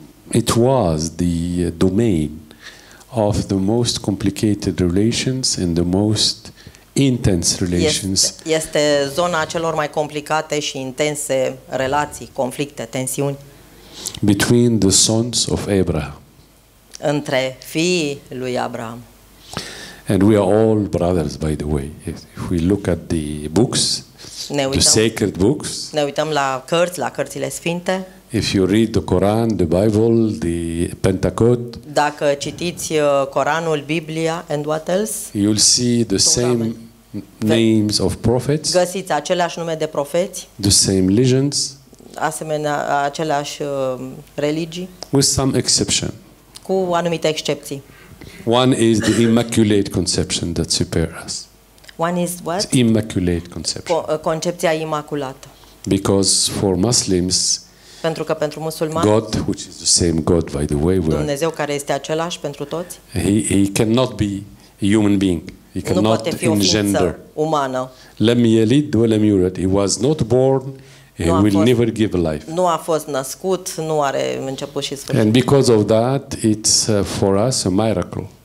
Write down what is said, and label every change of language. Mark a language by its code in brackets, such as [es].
[en] It was the domain of the most complicated relations and the most intense relations. [ro] Este zona celor mai complicate și intense relații, conflicte, tensiuni. [en] Between the sons of Abraham. [ro] Între fiii lui Abraham. [en] And we are all brothers, by the way. If we look at the books, [ro] ne uităm, [en] the sacred books. [ro] Ne uităm la cărți, la cărțile sfinte. [en] If you read the Quran, the Bible, the Pentateuch. [ro] Dacă citiți Coranul, Biblia [en] and what else? You'll see the same names of prophets. [ro] Găsiți aceleași nume de profeți. [en] The same legends. [ro] Asemenea, aceleași religii. [en] With some exception. [ro] Cu anumite excepții. [en] One is the Immaculate Conception that superas. One is what? It's Immaculate Conception. [ro] Concepția imaculată. [en] Because for Muslims, [ro] pentru că pentru musulmani, [en] God, which is the same God, by the way, [ro] Dumnezeu care este același pentru toți, [en] he cannot be a human being. He cannot engender. [ro] Nu poate fi o ființă umană. [ar] Lem yelid ve lem yulad. [en] He was not born. He will never give life. [ro] Nu a fost născut, nu are început și sfârșit. [en] And because of that, it's for us a miracle.